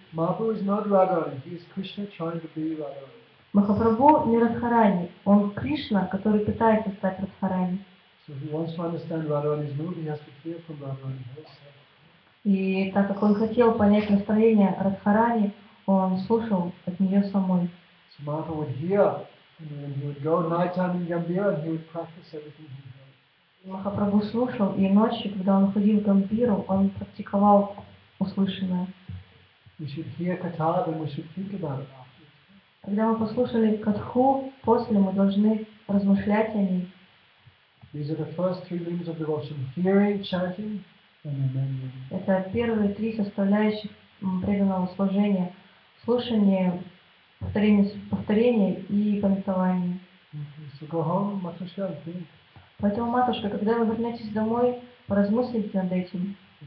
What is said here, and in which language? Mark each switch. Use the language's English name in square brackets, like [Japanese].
[English] Mahaprabhu is not Radharani, he is Krishna trying to be Radharani. [Russian] Махапрабху не Радхарани, он Кришна, который пытается стать Радхарани. [English] So he wants to understand Radharani's mood, he has to hear from Radharani herself. [Russian] И так как он хотел понять настроение Радхарани, он слушал от нее самой. [English] So Mahaprabhu would hear, and then he would go night time in Gambira and he would practice everything he heard. [Russian] Махапрабху слушал, и ночью, когда он ходил в Гамбиру, он практиковал услышанное. [English] We should hear katha, then we should think about it after. [Russian] Когда мы послушали катху, после мы должны размышлять о ней. [English] These are the first three limbs of devotion: hearing, chanting, and remembering. [Russian] Это первые три составляющих преданного служения: слушание, повторение и памятование. [English] So go home, Matushka, and think. [Russian] Поэтому, матушка, когда вы вернетесь домой, поразмыслите над этим.